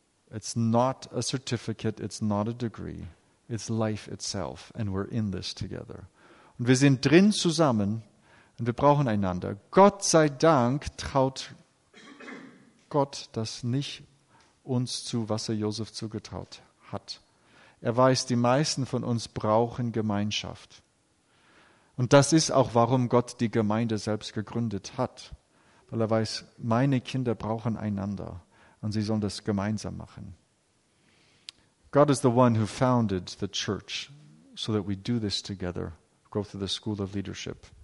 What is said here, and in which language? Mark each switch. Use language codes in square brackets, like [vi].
[en] It's not a certificate, it's not a degree. It's life itself, and we're in this together. [de] Und wir sind drin zusammen und wir brauchen einander. Gott sei Dank traut Gott das nicht uns zu, was er Josef zugetraut hat. Er weiß, die meisten von uns brauchen Gemeinschaft. Und das ist auch, warum Gott die Gemeinde selbst gegründet hat. Weil er weiß, meine Kinder brauchen einander und sie sollen das gemeinsam machen. [en] God is the one who founded the church so that we do this together, go through the school of leadership.